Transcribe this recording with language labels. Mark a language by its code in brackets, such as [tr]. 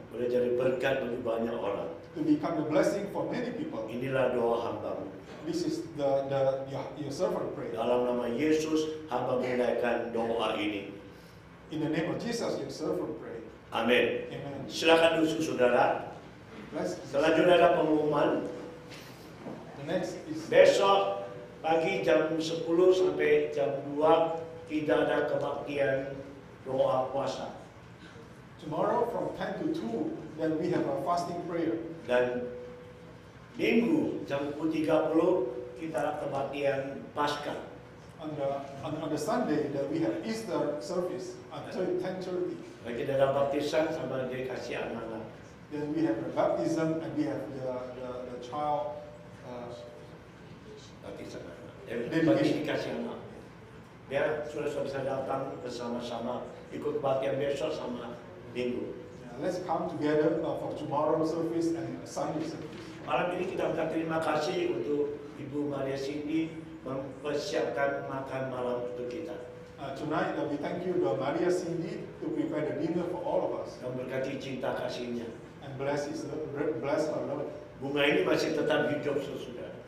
[id] Boleh jadi berkat bagi banyak orang. [en] To become a blessing for many people. [id] Inilah doa hambamu. [en] This is your servant prayer. [id] Dalam nama Yesus, hamba menaikkan doa ini. [en] In the name of Jesus, your servant pray. [id] Amin. [en] Amen. [id] Silakan duduk, saudara. Selanjutnya ada pengumuman. [en] The next is [id] besok pagi jam 10 sampai jam 2 tidak ada kebaktian doa puasa. [en] Tomorrow from 10 to 2, then we have a fasting prayer. [id] Dan Minggu jam 10:30 kita kebaktian Paskah. [en] On the Sunday that we have Easter service at 10:30. [id] Lagi dalam baptisan sama dia kasih amanah. [en] Then we have the baptism and we have the child baptisan. [id] Dedikasi kasih amanah. Biar saudara-saudara bisa datang bersama-sama ikut kebaktian besok sama Minggu. [en] Yeah, let's come together for tomorrow's service and Sunday service. [id] Malam ini kita minta terima kasih untuk Ibu Maria Cindy mempersiapkan makan malam untuk kita. [en] Tonight we thank you, Ibu Maria Cindy, to prepare the dinner for all of us. [id] Dan berkati cinta kasihnya. [en] And bless her love. [id] Bunga ini masih tetap hidup sesudah.